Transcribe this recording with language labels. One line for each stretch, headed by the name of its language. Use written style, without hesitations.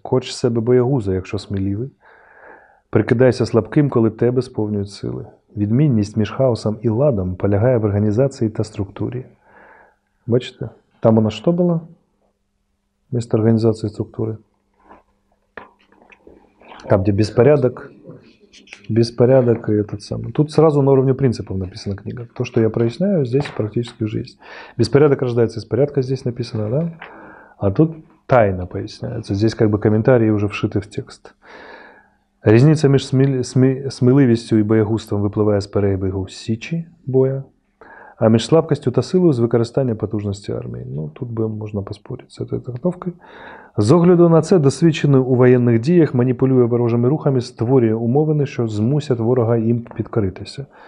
Ukrainian: Коч з себе боягуза, якщо сміливий. Прикидайся слабким, коли тебе сповнюють сили. Відмінність між хаосом і ладом полягає в організації та структурі. Бачите, там вона що була? Місце організації структури. Там, де безпорядок, безпорядок
Russian: и этот самый. Тут сразу на уровне принципов написана книга. То, что я проясняю, здесь практически уже есть. Беспорядок рождается из порядка, здесь написано, да? А тут тайна поясняется. Здесь как бы комментарии уже вшиты в текст.
Ukrainian: Різниця між сміливістю і боягузством випливає з перебігу січі боя, а між слабкістю та силою – з використання потужності армії. Ну, тут би можна поспорити з цією трактовкою. З огляду на це, досвідчений у воєнних діях, маніпулює ворожими рухами, створює умови, що змусять ворога їм підкоритися.